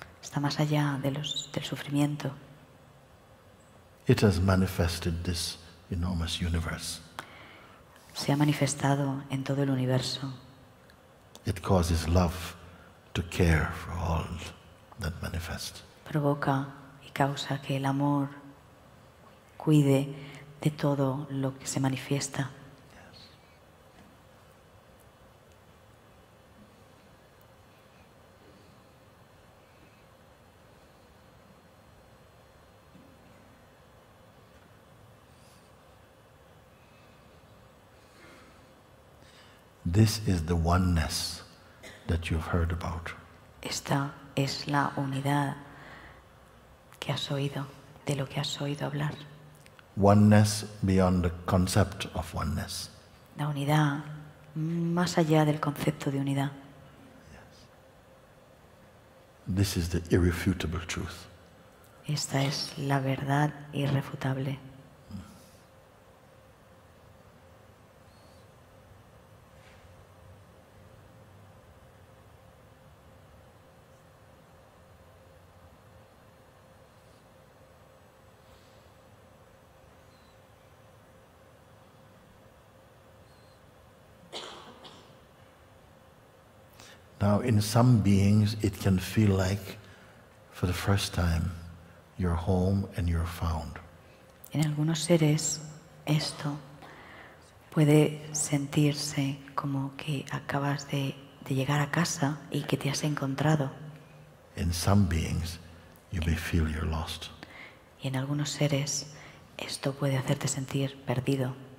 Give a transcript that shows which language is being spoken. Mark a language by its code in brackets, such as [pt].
[es] Está más allá de los, del sufrimiento. [en] It has manifested this enormous universe. [es] Se ha manifestado en todo el universo. [en] It causes love to care for all that manifest. [es] Provoca y causa que el amor cuide de todo lo que se manifiesta. [en] This is the oneness that you've heard about. [es] Esta es la unidad que has oído, de lo que has oído hablar. [en] Oneness beyond the concept of oneness. [es] La unidad más allá del concepto de unidad. [en] Yes. This is the irrefutable truth. [es] Esta es la verdad irrefutable. [en] Now, in some beings, it can feel like, for the first time, you're home and you're found. [es] En algunos seres, esto puede sentirse como que acabas de llegar a casa y que te has encontrado. [en] In some beings, you may feel you're lost. [es] Y en algunos seres, esto puede hacerte sentir perdido.